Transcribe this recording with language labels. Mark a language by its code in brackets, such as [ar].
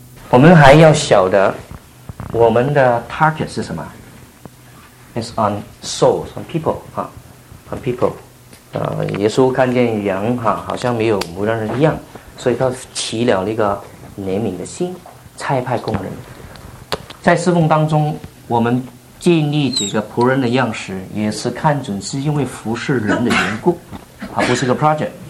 [zh] 我们还要晓得我们的 target 是什么。 [en] It's on souls, on people, on people. [zh] 耶稣看见羊好像没有牧羊人一样，所以他起了那个怜悯的心，差派工人。在侍奉当中，我们建立这个仆人的样式，也是看准是因为服侍人的缘故，而不是个 project。